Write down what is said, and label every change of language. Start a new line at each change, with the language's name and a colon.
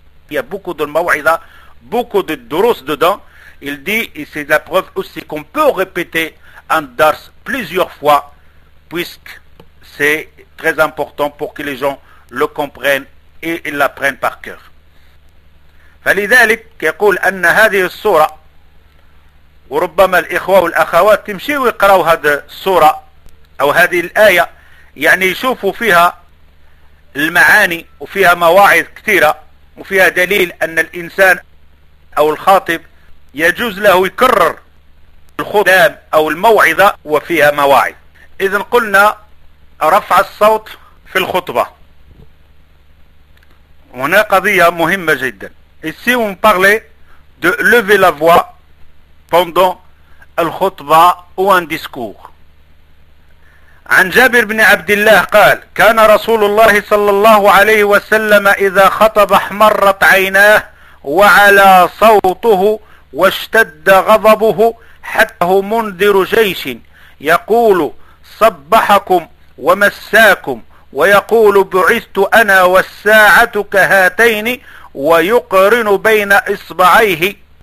French: Il y a beaucoup de maw'idah, beaucoup de durus dedans. Il dit, et c'est la preuve aussi qu'on peut répéter un dars plusieurs fois puisque c'est très important pour que les gens le comprennent et ils l'apprennent par cœur.
Arabic: فلذلك يقول ان هذه السوره وربما الاخوه والاخوات يمشيوا يقراوا هذه السوره او هذه الايه يعني يشوفوا فيها المعاني وفيها مواعظ كثيره وفيها دليل ان الانسان او الخاطب يجوز له يكرر الخطاب او الموعظه وفيها مواعظ. اذا قلنا رفع الصوت في الخطبة. هنا قضية مهمة جدا.
French: Ici on parlait de lever la voix pendant الخطبة ou un discours.
Arabic: عن جابر بن عبد الله قال كان رسول الله صلى الله عليه وسلم إذا خطب احمرت عيناه وعلى صوته واشتد غضبه حتى هو منذر جيش يقول صبحكم ومساكم ويقول بعثت أنا والساعة كهاتين ويقرن بين إصبعيه